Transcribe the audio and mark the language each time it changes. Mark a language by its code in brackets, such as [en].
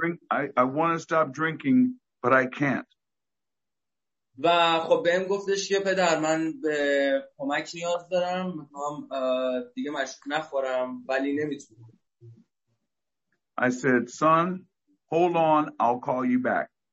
[en] I want to stop drinking, but I can't." [fa] و خب بهم گفتش که پدر من به کمک نیاز دارم، میخوام دیگه مشروب نخورم ولی نمیتونم. [en] I said, "Son, hold on, I'll call you back."